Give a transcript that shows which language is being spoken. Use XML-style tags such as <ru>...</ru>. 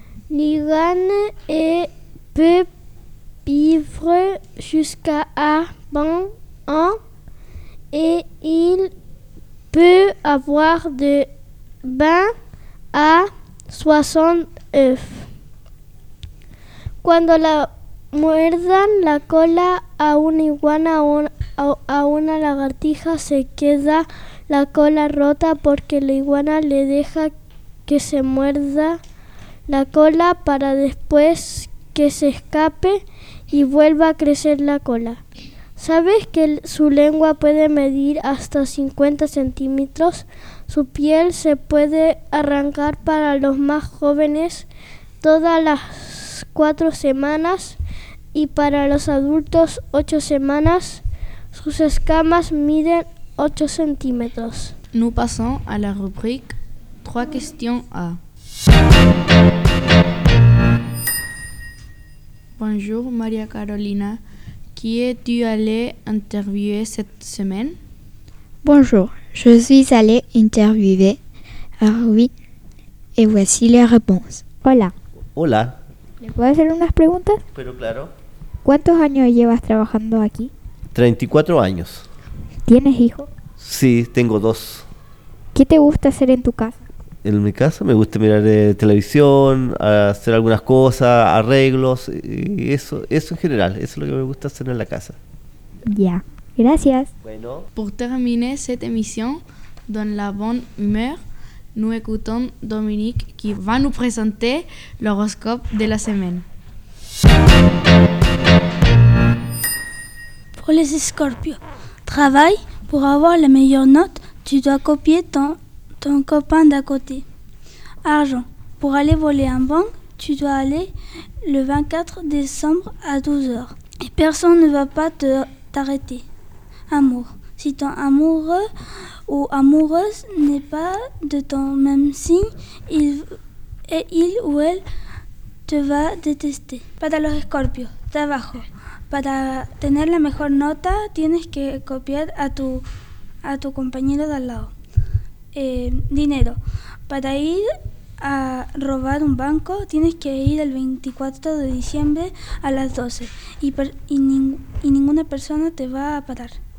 <fr>L'iguane peut vivre jusqu'à 20 ans et il peut avoir de 20 à 60 œufs.</fr> <es>Cuando la muerdan, la cola a una iguana o a una lagartija se queda la cola rota porque la iguana le deja que se muerda la cola para después que se escape y vuelva a crecer la cola. ¿Sabes que su lengua puede medir hasta 50 centímetros? Su piel se puede arrancar para los más jóvenes todas las 4 semanas y para los adultos 8 semanas. Sus escamas miden 8 centímetros.</es> <fr>Nous passons à la rubrique 3 questions A. Bonjour Maria Carolina, qui es-tu allée interviewer cette semaine? Bonjour, je suis allée interviewer Harvey et voici les réponses.</fr> <es>Hola. Hola. ¿Le puedo hacer unas preguntas? Pero claro. ¿Cuántos años llevas trabajando aquí? 34 años. ¿Tienes hijos? Sí, tengo 2. ¿Qué te gusta hacer en tu casa? En mi casa me gusta mirar televisión, hacer algunas cosas, arreglos, y eso en general, eso es lo que me gusta hacer en la casa. Ya, gracias. Bueno.</es> <fr>Pour terminer cette émission dans la bonne humeur, nous écoutons Dominique qui va nous présenter l'horoscope de la semaine. Pour les scorpions, travaille pour avoir la meilleure note, tu dois copier ton copain d'à côté. Argent, pour aller voler en banque, tu dois aller le 24 décembre à 12h. Et personne ne va pas t'arrêter. Amour, si ton amoureux ou amoureuse n'est pas de ton même signe, il ou elle te va détester.</fr> <es>Para los escorpios, trabajo. Para tener la mejor nota, tienes que copiar a tu compañero de al lado. Dinero. Para ir a robar un banco, tienes que ir el 24 de diciembre a las 12 y ninguna persona te va a parar.</es>